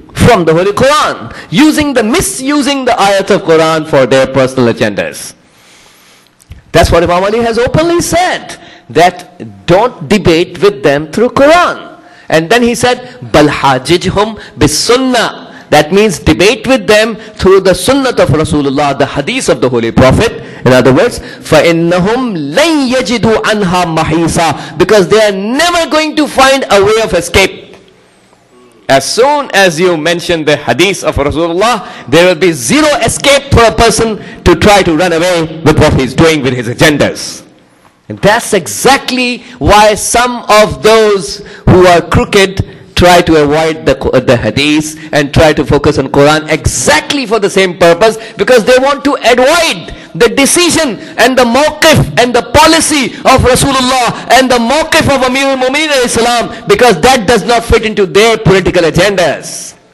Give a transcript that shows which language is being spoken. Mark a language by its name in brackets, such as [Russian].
[English] From the Holy Quran, misusing the ayat of Quran for their personal agendas. That's what Imam Ali has openly said, that don't debate with them through Quran. And then he said, [Arabic] Balhajijhum bisunnah. [English] That means debate with them through the sunnah of Rasulullah, the hadith of the Holy Prophet. In other words, [Arabic] فَإِنَّهُمْ لَنْ يَجِدُوا عَنْهَا مَحِيصًا. [English] Because they are never going to find a way of escape. As soon as you mention the hadith of Rasulullah, there will be zero escape for a person to try to run away with what he's doing with his agendas. And that's exactly why some of those who are crooked try to avoid the hadith and try to focus on Quran exactly for the same purpose, because they want to avoid the decision and the mawqif and the policy of Rasulullah and the mawqif of Amirul Mumineen alayhi salam, because that does not fit into their political agendas.